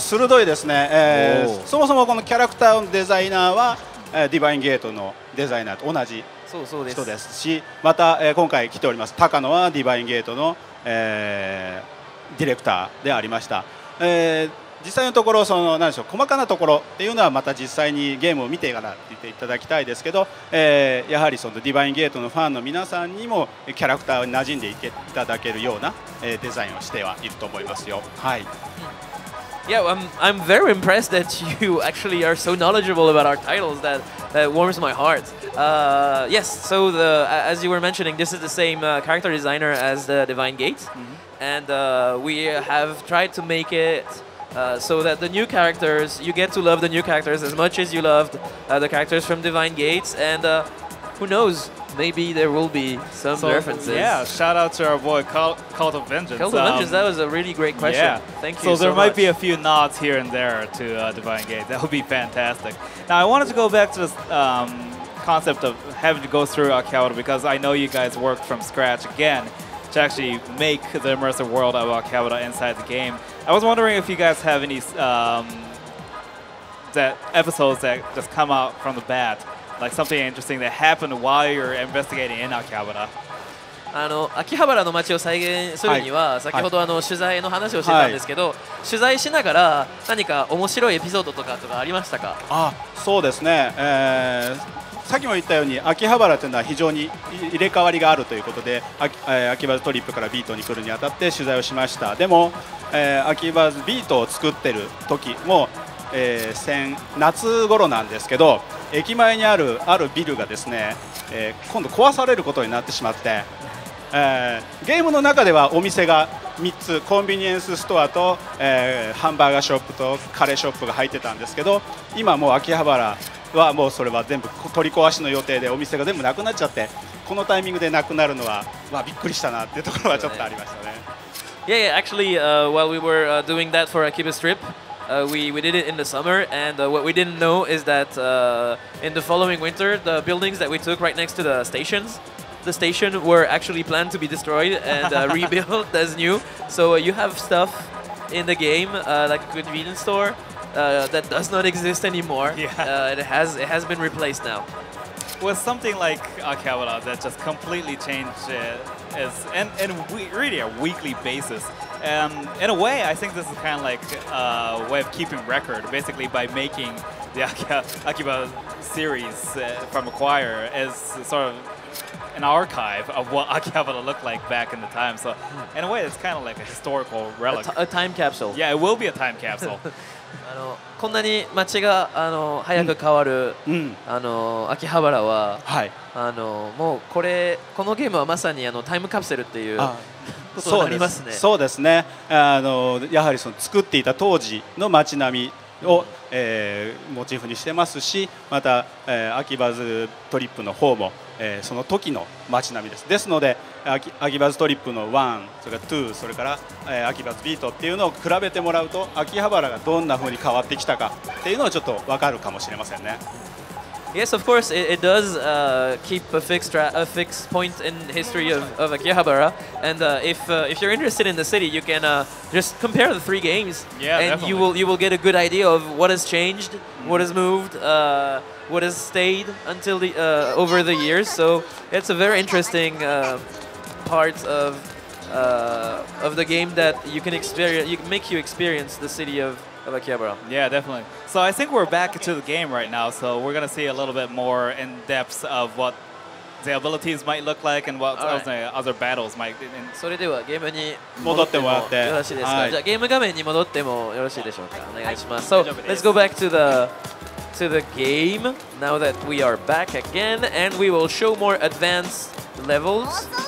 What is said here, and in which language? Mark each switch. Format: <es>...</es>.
<ja>鋭いですね、そもそもこのキャラクターのデザイナーは、ディバインゲートのデザイナーと同じ人ですし、また、今回来ております高野はディバインゲートの、ディレクターでありました。実際のところその何でしょう、細かなところっていうのはまた実際にゲームを見てから言っていただきたいですけど、やはりそのディバインゲートのファンの皆さんにもキャラクターに馴染んでいただけるような、デザインをしてはいると思いますよ。はい。</ja> <en>Yeah, I'm very impressed that you actually are so knowledgeable about our titles. That warms my heart. Yes, so the as you were mentioning, this is the same character designer as the Divine Gate, and we have tried to make it. So that the new characters, you get to love the new characters as much as you loved the characters from Divine Gates, and who knows, maybe there will be some references. Yeah, shout out to our boy Cult of Vengeance. Cult of Vengeance, that was a really great question. Yeah. Thank you so much. So there might be a few nods here and there to Divine Gates. That would be fantastic. Now, I wanted to go back to this concept of having to go through Akihabara, because I know you guys work from scratch again. To actually make the immersive world of Akihabara inside the game. I was wondering if you guys have any that episodes that just come out from the bat, like something interesting that happened while you're investigating in Akihabara.</en> <ja>あの秋葉原の街を再現するには、はい、先ほどあの、はい、取材の話をしてたんですけど、はい、取材しながら何か面白いエピソードとかありましたか？あ、そうですね、さっきも言ったように秋葉原というのは非常に入れ替わりがあるということで、秋葉原トリップからビートに来るにあたって取材をしました。でも、秋葉原ビートを作ってる時も、先夏頃なんですけど、駅前にあるビルがですね、今度壊されることになってしまって、ゲームの中ではお店が3つ、コンビニエンスストアと、ハンバーガーショップとカレーショップが入ってたんですけど、今もう秋葉原はもうそれは全部取り壊しの予定で、お店が全部なくなっちゃって、このタイミングでなくなるのは、まあ、びっくりしたなっていうところはちょっとありましたね。</ja> <en>Yeah, actually, while we were doing that for Akiba Strip, we did it in the summer, and what we didn't know is that in the following winter, the buildings that we took right next to the station were actually planned to be destroyed and rebuilt as new. So you have stuff in the game, like a convenience storethat does not exist anymore. Yeah. It has been replaced now. With something like Akihabara that just completely changed is, and we, really a weekly basis. In a way, I think this is kind of like a way of keeping record, basically by making the Akiba series from Acquire as sort of an archive of what Akihabara looked like back in the time. So in a way, it's kind of like a historical relic. A time capsule. Yeah, it will be a time capsule.</en> <ja>あのこんなに街があの早く変わる、うんうん、あの秋葉原は、はい、あのもうこれこのゲームはまさにあのタイムカプセルっていうことになりますね。そうですね、あのやはりその作っていた当時の街並みを、モチーフにしてますし、また、秋葉ズトリップの方も、その時の街並みです。ですので秋葉ズトリップの1それから2それから、秋葉ズビートっていうのを比べてもらうと、秋葉原がどんな風に変わってきたかっていうのをちょっと分かるかもしれませんね。</ja> <en>Yes, of course, it does keep a fixed point in history of Akihabara, and if you're interested in the city, you can just compare the three games. Yeah, and you will get a good idea of what has changed, what has movedwhat has stayed until the, over the years. So it's a very interesting part of the game that you can experience, you can make you experience the city of Akihabara. Yeah, definitely. So I think we're back to the game right now. So we're going to see a little bit more in depth of what the abilities might look like and what other battles might be.</en> <ja>それではゲームに戻ってもよろしいですか？じゃあゲーム画面に戻ってもよろしいでしょうか？お願いします。</ja> <en>So let's go back to the... to the game now that we are back again, and we will show more advanced levels.</en>